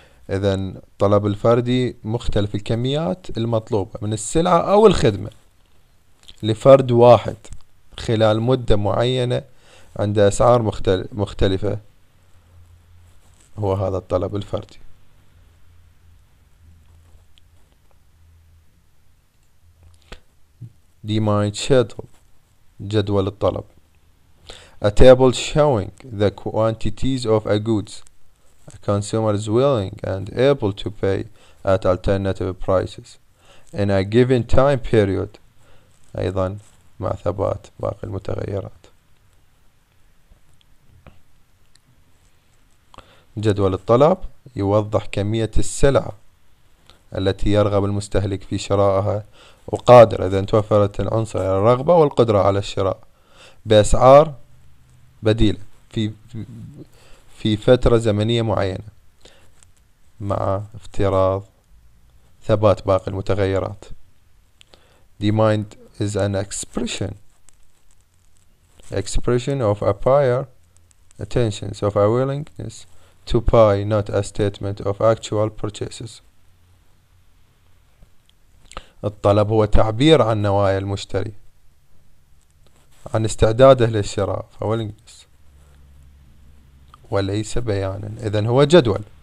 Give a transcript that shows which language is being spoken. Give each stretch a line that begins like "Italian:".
Arabic: إذن الطلب الفردي مختلف الكميات المطلوبة من السلعة أو الخدمة لفرد واحد خلال مدة معينة عند أسعار مختلفة، هو هذا الطلب الفردي.
English: Demand schedule، جدول الطلب. A table showing the quantities of a goods a consumer is willing and able to pay at alternative prices in a given time period.
Arabic: أيضا مع ثبات باقي المتغيرات. جدول الطلب يوضح كمية السلعة التي يرغب المستهلك في شرائها وقادر، إذا توفرت العنصر الرغبة والقدرة على الشراء بأسعار بديلة في فترة زمنية معينة مع افتراض ثبات باقي المتغيرات.
English: Demand is an expression of a buyer intentions of a willingness to buy, not a statement of actual purchases.
Arabic: الطلب هو تعبير عن نوايا المشتري، عن استعداده للشراء، فولينجس، وليس بيانا. إذن هو جدول.